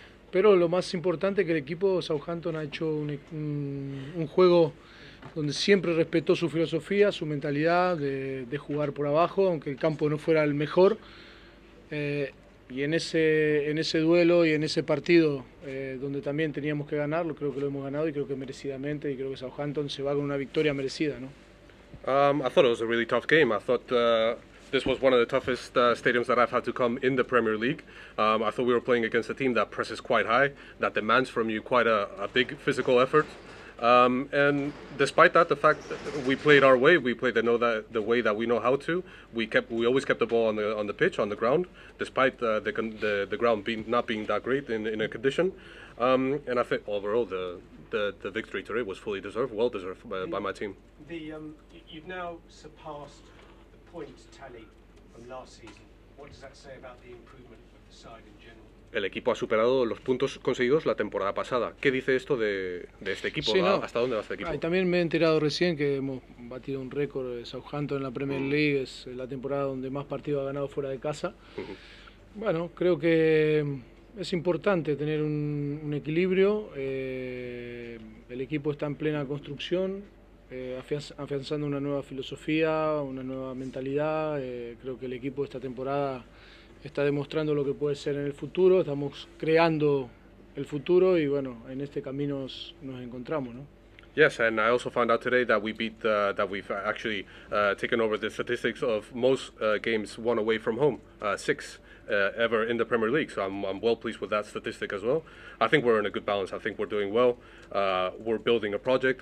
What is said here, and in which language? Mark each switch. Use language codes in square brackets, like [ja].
[es] Pero lo más importante es que el equipo Southampton ha hecho un juego donde siempre respetó su filosofía, su mentalidad de jugar por abajo, aunque el campo no fuera el mejor. Y en ese duelo y en ese partido donde también teníamos que ganarlo, creo que lo hemos ganado y creo que merecidamente, y creo que Southampton se va con una victoria merecida, ¿no? [en] I thought it was a really tough game. I thought this was one of the toughest stadiums that I've had to come in the Premier League. I thought we were playing against a team that presses quite high, that demands from you quite a big physical effort. And despite that, the fact that we played our way, we played the way that we know how to. We always kept the ball on the pitch, on the ground, despite the ground not being that great in a condition. And I think overall the victory today was fully deserved, well deserved by my team. You've now surpassed the point tally from last season. What does that say about the improvement of the side in general? [es] El equipo ha superado los puntos conseguidos la temporada pasada. ¿Qué dice esto de este equipo? no. ¿Hasta dónde va este Ay, equipo? también me he enterado recién que hemos batido un récord de Southampton en la Premier League. Es la temporada donde más partidos ha ganado fuera de casa. Bueno, creo que es importante tener un equilibrio. El equipo está en plena construcción, afianzando una nueva filosofía, una nueva mentalidad. Creo que el equipo esta temporada está demostrando lo que puede ser en el futuro. Estamos creando el futuro y bueno, en este camino nos encontramos, ¿no? [en] Yes, and I also found out today that we've actually taken over the statistics of most games won away from home, six ever in the Premier League. So I'm well pleased with that statistic as well. I think we're in a good balance. I think we're doing well. We're building a project.